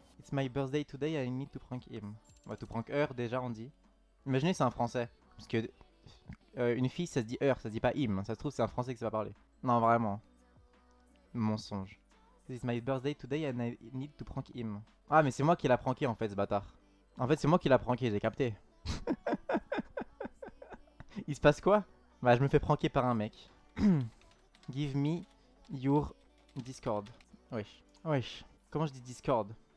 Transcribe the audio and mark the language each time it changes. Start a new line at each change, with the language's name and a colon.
English: It's my birthday today, I need to prank him.
French: Ouais,
English: to prank her,
French: déjà, on dit. Imaginez, c'est un français. Parce que une fille, ça se dit her, ça se dit pas him. Ça se trouve, c'est un français qui sait pas parler. Non, vraiment. Mensonge.
English: It's my birthday today, and I need to prank him.
French: Ah, mais c'est moi qui l'a pranké, en fait, ce bâtard. En fait, c'est moi qui l'a pranké, j'ai capté. Il se passe quoi? Bah, je me fais pranker par un mec.
English: Give me your Discord.
French: Wesh. Wesh. Comment je dis Discord?